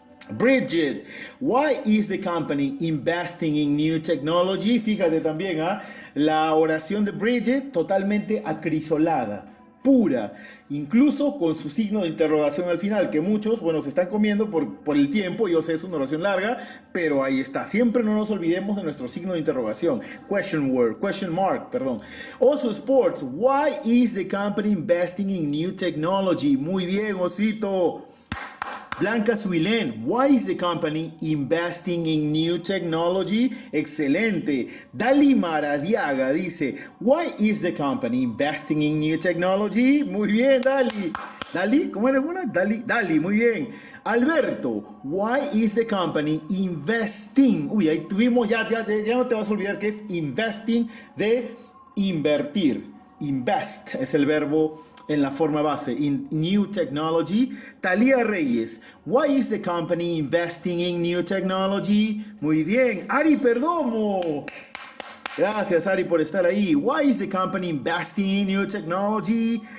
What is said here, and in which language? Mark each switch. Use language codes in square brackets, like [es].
[en] Bridget, why is the company investing in new technology? [es] Fíjate también, ¿eh? La oración de Bridget totalmente acrisolada, pura, incluso con su signo de interrogación al final, que muchos, bueno, se están comiendo por el tiempo. Yo sé, es una oración larga, pero ahí está. Siempre no nos olvidemos de nuestro signo de interrogación. [en] Question word, question mark, perdón. Oso Sports, why is the company investing in new technology? [es] Muy bien, Osito. [en] Blanca Suilén, why is the company investing in new technology? [es] Excelente. [en] Dali Maradiaga [es] dice, [en] why is the company investing in new technology? [es] Muy bien, Dali. Dali, ¿cómo eres buena? Dali, Dali, muy bien. [en] Alberto, why is the company investing? [es] Uy, ahí tuvimos, ya no te vas a olvidar que es investing de invertir. Invest es el verbo en la forma base, [en] in new technology. Talía Reyes, why is the company investing in new technology? [es] Muy bien, Ari Perdomo. Gracias, Ari, por estar ahí. [en] Why is the company investing in new technology?